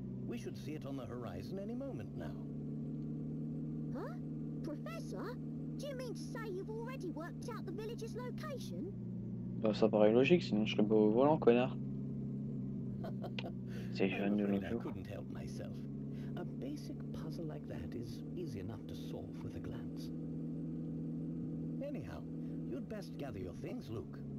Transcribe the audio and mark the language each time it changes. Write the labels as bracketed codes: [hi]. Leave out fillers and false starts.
[en] We should see it on the horizon any moment now. Huh? Professor, do you mean to say you've already worked out the village's location? [fr] Bah, ça paraît logique, sinon je serais pas au volant, connard. C'est jeune de l'autre. [en] I couldn't help myself. A basic puzzle like that is easy enough to solve with a glance. Anyhow, you'd best gather your things, Luke.